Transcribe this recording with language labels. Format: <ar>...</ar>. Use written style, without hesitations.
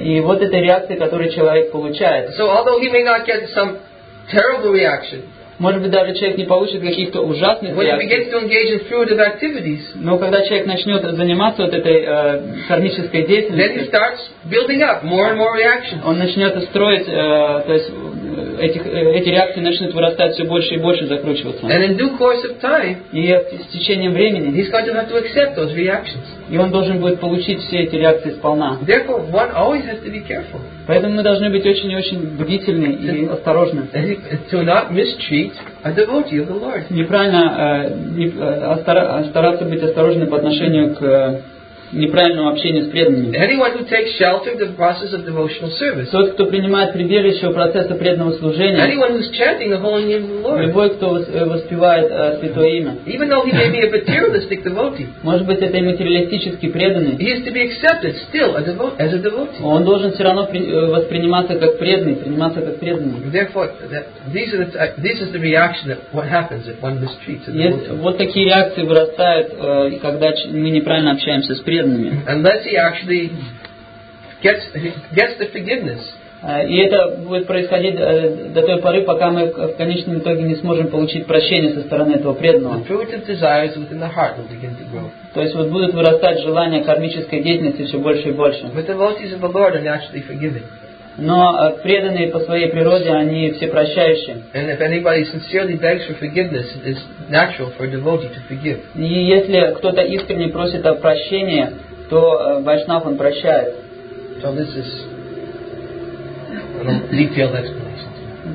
<ru>И вот эта реакция, которую человек получает.</ru> <en>So although he may not get some terrible reaction.</en> <ru>Может быть, даже человек не получит каких-то ужасных</ru> <en>when</en> <ru>реакций.</ru> <en>He begins to engage in fruitive activities,</en> <ru>но когда человек начнет заниматься вот этой кармической деятельностью,</ru> <en>then he starts building up more and more reactions.</en> <ru>Он начнет строить, то есть эти реакции начнут вырастать все больше и больше, закручиваться.</ru> <en>And in due course of time,</en> <ru>и с течением времени,</ru> <en>he's going to have to accept those reactions.</en> <ru>И он должен будет получить все эти реакции сполна.</ru> <en>Therefore, one always has to be careful.</en> <ru>Поэтому мы должны быть очень и очень бдительны и осторожны.</ru> <en>To not mistreat a devotee of the Lord.</en> <ru>Неправильно стараться быть осторожным по отношению к неправильному общению с преданными.</ru> <en>Anyone who takes shelter in the process of devotional service.</en> <ru>Тот, кто принимает прибежище в процессе преданного служения.</ru> <en>Anyone who's chanting the holy name of the Lord.</en> <ru>Любой, кто воспевает святое имя.</ru> <en>Even though he may be a materialistic devotee.</en> <ru>Может быть, это и материалистически преданный.</ru> <en>He is to be accepted still as a devotee.</en> <ru>Он должен все равно восприниматься как преданный, приниматься как преданный.</ru> <en>Therefore, this is the reaction that what happens if one mistreats a devotee.</en> <ru>Вот такие реакции вырастают, когда мы неправильно общаемся с</ru> <en>unless he actually gets the forgiveness.</en> <ru>И это будет происходить до той поры, пока мы в конечном итоге не сможем получить прощение со стороны этого преданного.</ru> <en>The fruitive desires within the heart will begin to grow.</en> <ru>То есть вот будут вырастать желания кармической деятельности все больше и больше.</ru> <en>But the devotees of the Lord are naturally forgiving.</en> <ru>Но преданные по своей природе, они все прощающие.</ru> <en>And if anybody sincerely begs for forgiveness, it is natural for a devotee to forgive.</en> <ru>И если кто-то искренне просит о прощении, то вайшнав он прощает.</ru> <en>So this is a detailed explanation.</en>